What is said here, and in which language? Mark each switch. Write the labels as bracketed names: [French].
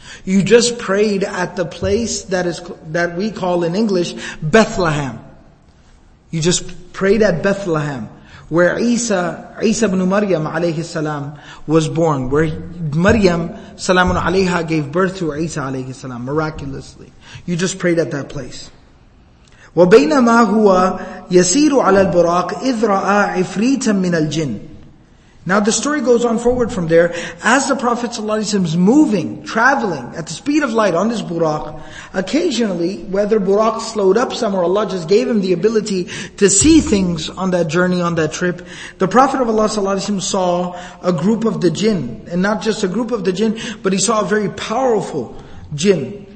[English] You just prayed at the place that we call in English Bethlehem. You just prayed at Bethlehem, where Isa ibn Maryam alayhi salam was born, where Maryam salamun alayha gave birth to Isa alayhi salam miraculously. You just prayed at that place. [Arabic] وبينما هو يسير على البراق إذ رأى عفريتا من الجن. [English] Now the story goes on forward from there. As the Prophet sallallahu alaihi wasallam is moving, traveling at the speed of light on this Buraq, occasionally, whether Buraq slowed up some or Allah just gave him the ability to see things on that journey, on that trip, the Prophet of Allah sallallahu alaihi wasallam saw a group of the jinn, and not just a group of the jinn, but he saw a very powerful jinn.